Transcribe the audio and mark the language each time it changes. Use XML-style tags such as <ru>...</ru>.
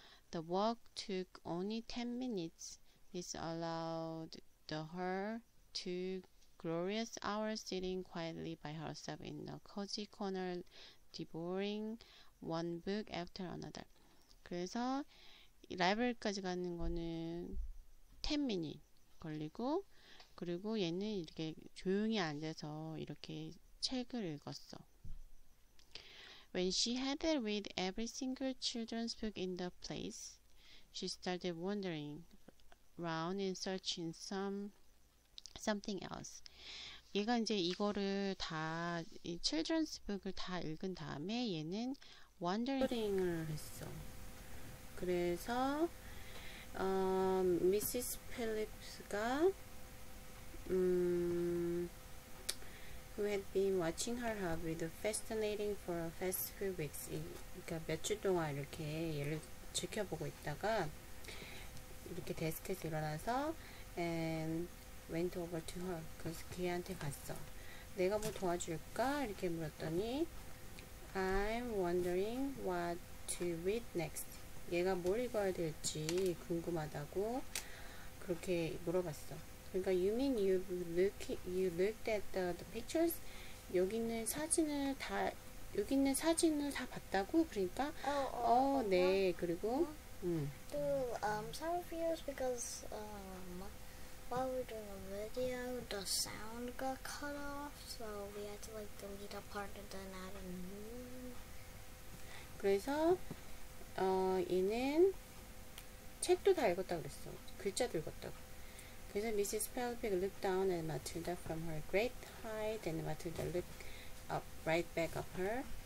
<en>The walk took only 10 minutes. This allowed her 2 glorious hours sitting quietly by herself in a cozy corner, devouring one book after another.</en> <ko>그래서 라이브러리까지 가는 거는</ko> <en>10 minutes</en> <ko>걸리고, 그리고 얘는 이렇게 조용히 앉아서 이렇게 책을 읽었어.</ko> <en>When she had read every single children's book in the place, she started wandering round in searching something else.</en> <ko>얘가 이제 이거를 다, 이 children's book을 다 읽은 다음에 얘는 wandering을 했어. 그래서 Mrs.</ko> <en>Phillips가 who had been watching her hub with fascinating for a past few weeks.</en> <ko>그러니까 며칠 동안 이렇게 얘를 지켜보고 있다가 이렇게 데스크에서 일어나서</ko> <en>and went over to her.</en> <ko>그래서 걔한테 갔어. 내가 뭐 도와줄까? 이렇게 물었더니</ko> <en>I'm wondering what to read next.</en> <ko>얘가 뭘 읽어야 될지 궁금하다고 그렇게 물어봤어. 그러니까</ko> <en>you mean you looked at the pictures?</en> <ko>여기 있는 사진을 다 봤다고? 그러니까 어, 네. 그리고</ko> <en>Some viewers because while we're doing a video, the sound got cut off, so we had to like delete a part and then add a new.</en> <ko>그래서 얘는 책도 다 읽었다고 그랬어. 글자도 읽었다고. 그래서 미시스 펠픽</ko> <en>looked down at Matilda from her great height, and Matilda looked up right back at her.</en>